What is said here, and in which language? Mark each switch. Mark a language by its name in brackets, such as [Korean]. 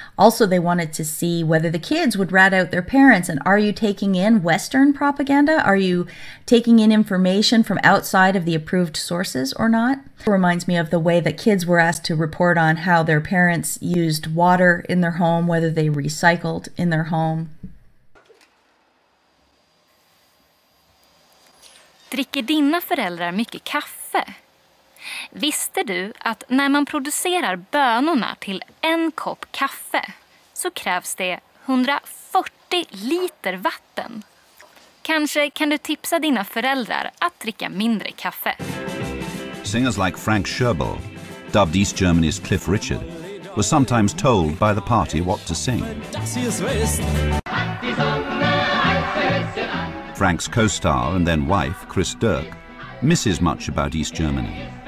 [English] Also, they wanted to see whether the kids would rat out their parents and are you taking in Western propaganda? Are you taking in information from outside of the approved sources or not? It reminds me of the way that kids were asked to report on how their parents used water in their home, whether they recycled in their home. [Swedish] Dricker dina föräldrar mycket kaffe? Visste du att när man producerar bönorna till en kopp kaffe så krävs det 140 liter vatten? Kanske kan du tipsa dina föräldrar att dricka mindre kaffe. [English] Singers like Frank Schirbel, dubbed East Germany's Cliff Richard, were sometimes told by the party what to sing. Frank's co-star and then wife, Chris Dirk, misses much about East Germany.